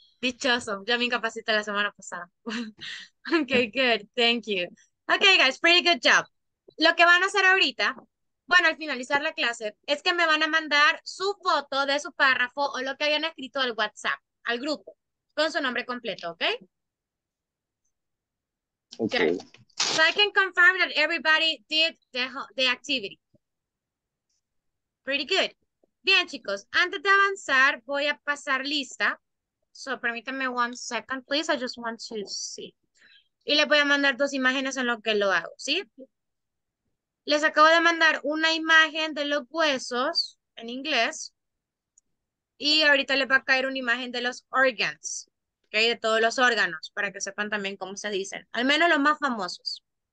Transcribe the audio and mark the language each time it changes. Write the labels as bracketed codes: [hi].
[es] Dichoso, ya me incapacité la semana pasada. [en] Okay, good, thank you. Okay, guys, pretty good job. [es] Lo que van a hacer ahorita, bueno, al finalizar la clase, es que me van a mandar su foto de su párrafo o lo que habían escrito al WhatsApp, al grupo, con su nombre completo, ¿ok? [en] Okay. Good. So I can confirm that everybody did the activity. Pretty good. [es] Bien, chicos, antes de avanzar, voy a pasar lista. [en] So [es] permítanme [en] 1 second, please, I just want to see. [es] Y les voy a mandar 2 imágenes en lo que lo hago, ¿sí? Les acabo de mandar una imagen de los huesos en inglés y ahorita les va a caer una imagen de los organs, ¿okay? De todos los órganos, para que sepan también cómo se dicen, al menos los más famosos.